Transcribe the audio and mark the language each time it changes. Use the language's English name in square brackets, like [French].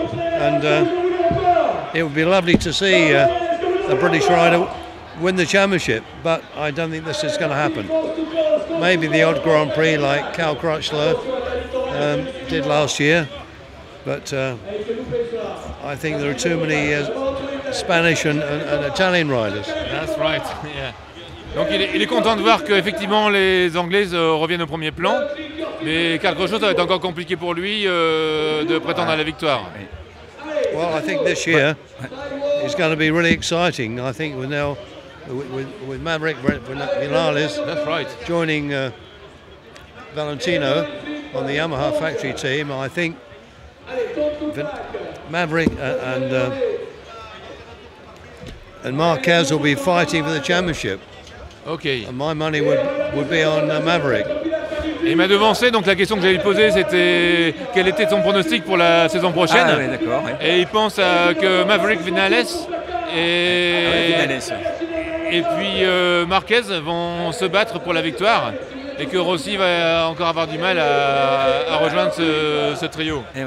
[English] And it would be lovely to see a British rider win the championship, but I don't think this is going to happen. Maybe the odd Grand Prix like Carl Crutchlow did last year, but I think there are too many Spanish and Italian riders. That's right, yeah. [French] Donc il est content de voir qu'effectivement les Anglaises reviennent au premier plan, mais quelque chose va être encore compliqué pour lui de prétendre à la victoire. [English] Well, I think this year it's going to be really exciting. I think we're now with Maverick Vinales joining Valentino on the Yamaha factory team. I think Maverick and Marquez will be fighting for the championship. Okay. And my money would be on Maverick. [French] Il m'a devancé, donc la question que j'allais lui poser, c'était quel était son pronostic pour la saison prochaine. Ah oui, d'accord. Oui. Et il pense que Maverick Vinales et puis Marquez vont se battre pour la victoire et que Rossi va encore avoir du mal à rejoindre ce trio.